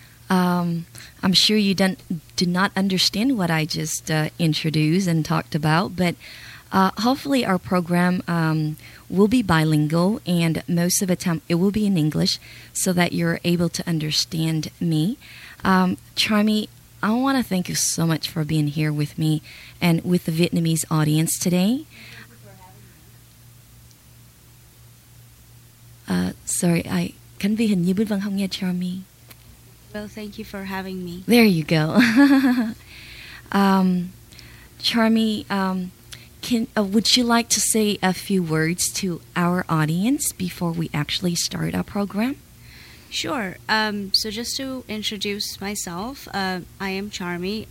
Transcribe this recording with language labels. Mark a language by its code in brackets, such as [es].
[en] I'm sure you do not understand what I just introduced and talked about, but hopefully our program will be bilingual, and most of the time it will be in English so that you're able to understand me. Charmy, I want to thank you so much for being here with me and with the Vietnamese audience today. Sorry, I [vi] Khánh Vy hình như Bích Vân không nghe Charmy. [en] Well, thank you for having me. There you go. Charmy, would you like to say a few words to our audience before we actually start our program? Sure. So just to introduce myself, I am Charmy.